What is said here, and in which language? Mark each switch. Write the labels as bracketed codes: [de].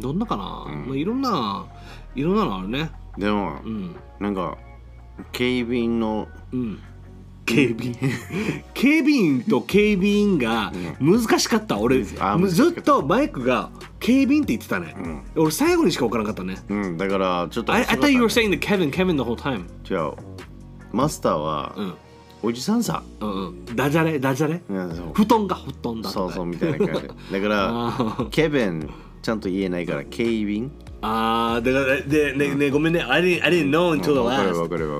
[ja] どんなかな、うん、まあ、いろんなのあるね。でも、うん、なんか警備員の、うん、警備員警備員と警備員が難しかった俺。あ難しかった、ずっとマイクが警備員って言ってたね、うん、俺最後にしか分からなかったね、うん、だからちょっと [en] I thought you were saying the Kevin the whole time。 [ja] 違う、マスターはおじさんさ、うんうん、ダジャレ、布団だった、そうそうみたいな感じだからケビンちゃんと言えないからケイビン。あーだからで、ね、うん、ね、ごめんね、 [en] I didn't know until the last、 [ja] うん、分かる、